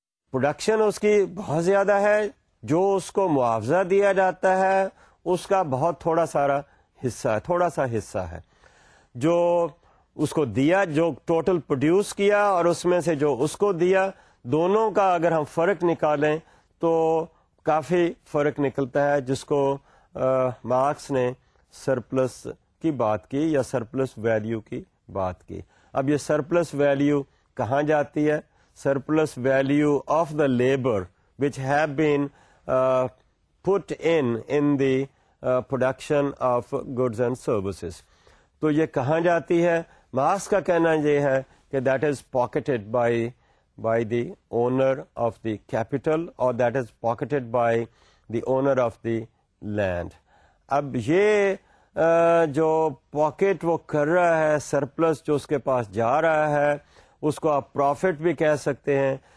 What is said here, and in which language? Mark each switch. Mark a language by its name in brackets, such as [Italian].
[Urdu] Production اس کی بہت زیادہ ہے, جو اس کو معاوضہ دیا جاتا ہے اس کا بہت تھوڑا سارا حصہ ہے, تھوڑا سا حصہ ہے جو اس کو دیا, جو ٹوٹل پروڈیوس کیا اور اس میں سے جو اس کو دیا, دونوں کا اگر ہم فرق نکالیں تو کافی فرق نکلتا ہے, جس کو مارکس نے سرپلس کی بات کی یا سرپلس ویلیو کی بات کی. اب یہ سرپلس ویلیو کہاں جاتی ہے؟ [English] Surplus value of the labour which have been put in the production of goods and services. [Urdu] تو یہ کہاں جاتی ہے؟ ماس کا کہنا یہ ہے کہ [English] That is pocketed by the owner of the capital, اور that is pocketed by the owner of the land. [Urdu] اب یہ جو پاکٹ وہ کر رہا ہے, سرپلس جو اس کے پاس جا رہا ہے, اس کو آپ پروفٹ بھی کہہ سکتے ہیں.